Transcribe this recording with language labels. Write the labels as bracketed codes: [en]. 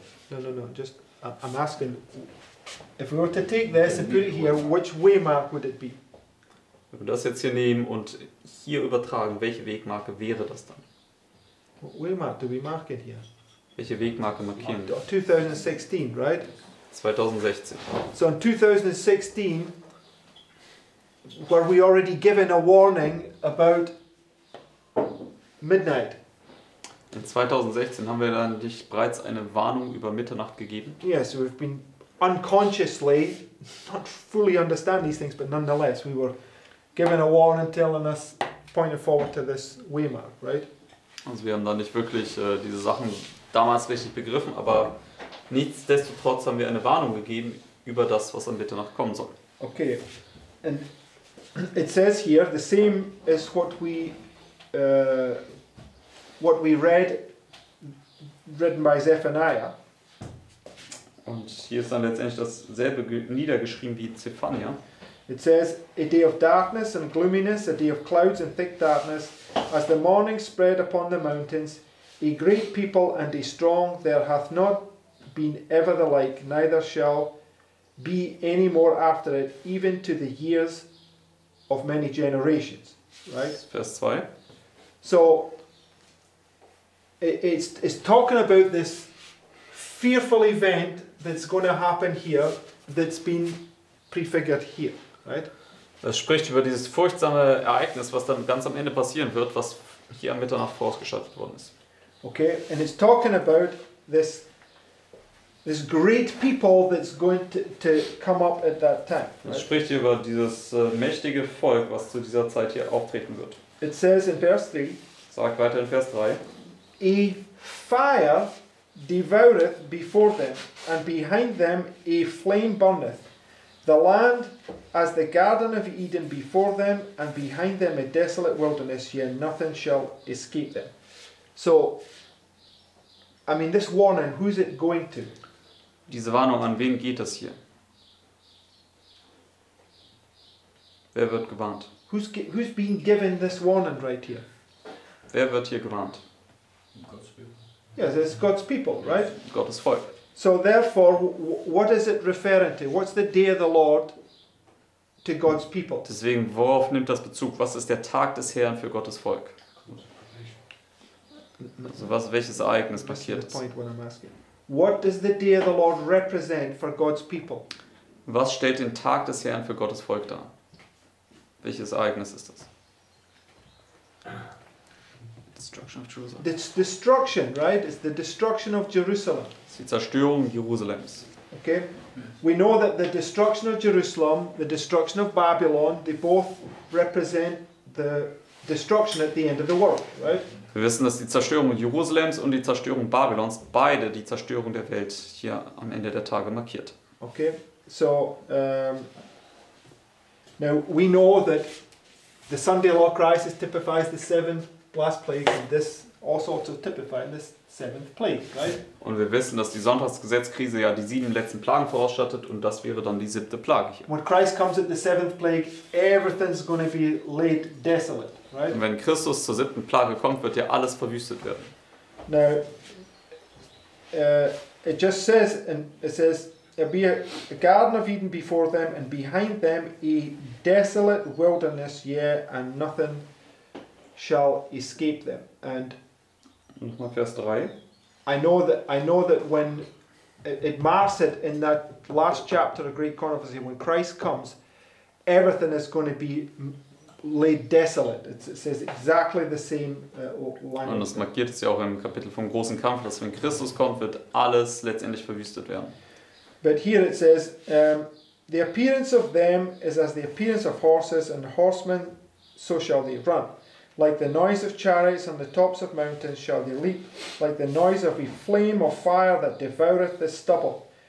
[en] No, just, I'm asking, if we were to take this and put it here, which waymark would it be? [de] Wenn wir das jetzt hier nehmen und hier übertragen, welche Wegmarke wäre das dann? [en] What waymark do we mark it here? [de] Welche Wegmarke markieren? [en] 2016, right? [de] 2016. [en] So in 2016 were we already given a warning about midnight? [de] In 2016 haben wir dann nicht bereits eine Warnung über Mitternacht gegeben? [en] Yes, we've been unconsciously, not fully understand these things, but nonetheless, we were given a warning telling us pointing forward to this waymark, right? [de] Also wir haben dann nicht wirklich diese Sachen damals richtig begriffen, aber nichtsdestotrotz haben wir eine Warnung gegeben über das, was an Mitternacht kommen soll. [en] Okay, and it says here the same as what we written by Zephaniah. [de] Und hier ist dann letztendlich dasselbe niedergeschrieben wie Zephaniah. [en] It says, a day of darkness and gloominess, a day of clouds and thick darkness, as the morning spread upon the mountains, a great people and a strong, there hath not been ever the like, neither shall be any more after it, even to the years of many generations. Right? [de] Vers 2. [en] So, it's talking about this fearful event that's going to happen here, that's been prefigured here. Right? [de] Es spricht über dieses furchtsame Ereignis, was dann ganz am Ende passieren wird, was hier am Mitternacht vorausgeschaltet worden ist. [en] Okay, and it's talking about this great people that's going to come up at that time. Right? [de] Es spricht hier über dieses mächtige Volk, was zu dieser Zeit hier auftreten wird. [en] It says in verse 3. [de] Sagt weiter in Vers 3. [en] A fire devoureth before them, and behind them a flame burneth. The land as the garden of Eden before them, and behind them a desolate wilderness, yet nothing shall escape them. So, I mean, this warning, who's it going to? [de] Diese Warnung, an wen geht das hier? Wer wird gewarnt? [en] Who's being given this warning right here? [de] Wer wird hier gewarnt? [en] Yes, it's God's people, right? [de] Gottes Volk. [en] So therefore, what is it referring to? What's the day of the Lord to God's people? [de] Deswegen, worauf nimmt das Bezug? Was ist der Tag des Herrn für Gottes Volk? Also was, welches Ereignis passiert ist? [en] What does the day of the Lord represent for God's people? [de] Was stellt den Tag des Herrn für Gottes Volk dar? Welches Ereignis ist das? [en] Destruction of Jerusalem. The destruction, right? It's the destruction of Jerusalem. It's [de] die Zerstörung Jerusalems. [en] Okay? We know that the destruction of Jerusalem, the destruction of Babylon, they both represent the destruction at the end of the world, right? [de] Wir wissen, dass die Zerstörung Jerusalems und die Zerstörung Babylons beide die Zerstörung der Welt hier am Ende der Tage markiert. [en] Okay, so now we know that the Sunday law crisis typifies the seventh last plague, and this also to typify this seventh plague, right? [de] Und wir wissen, dass die Sonntagsgesetzkrise ja die sieben letzten Plagen vorausschattet, und das wäre dann die siebte Plage hier. [en] When Christ comes at the seventh plague, everything's going to be laid desolate. Right? [de] Und wenn Christus zur siebten Plage kommt, wird ja alles verwüstet werden. [en] Now, it just says, and it says, there'll be a garden of Eden before them, and behind them a desolate wilderness, yeah, and nothing shall escape them. And [de] nochmal Vers 3. [en] I know that when it marks it in that last chapter of Great Controversy, when Christ comes, everything is going to be laid desolate. It says exactly the same line. [de] Und das markiert es ja auch im Kapitel vom großen Kampf, dass wenn Christus kommt, wird alles letztendlich verwüstet werden. [en] But here it says, the appearance of them is as the appearance of horses and horsemen, so shall they run. Like the noise of chariots on the tops of mountains shall they leap. Like the noise of a flame of fire that devoureth the stubble.